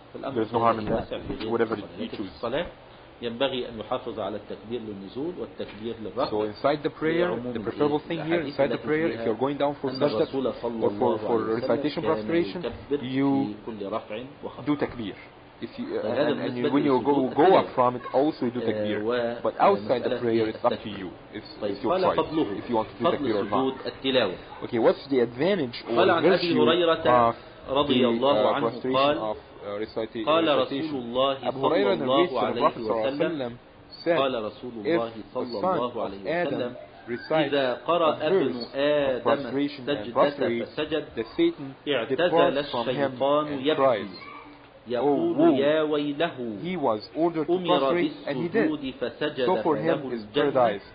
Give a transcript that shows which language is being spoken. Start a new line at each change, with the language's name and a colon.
Arabic: الأمر في
English: whatever you choose.
Arabic: الصلاة ينبغي أن يحافظ على التكبير للنزول والتكبير للرفع.
English: So inside the prayer, the preferable thing here inside the prayer, if you're going down for sajda or for recitation prostration, you do takbir. If you and you, when you go up from it, also you do takbir. But outside the prayer, it's up to you. It's your choice. If you want to do takbir or not. Okay, what's the advantage or virtue of
Arabic: رضي الله عنه قال قال رسول الله صلى الله عليه وسلم قال رسول الله صلى الله عليه وسلم إذا قرأ ابن آدم سجدة فسجد اعتزل الشيطان يبكي يقول يا ويله أمر بالسجود فسجد فله الجنة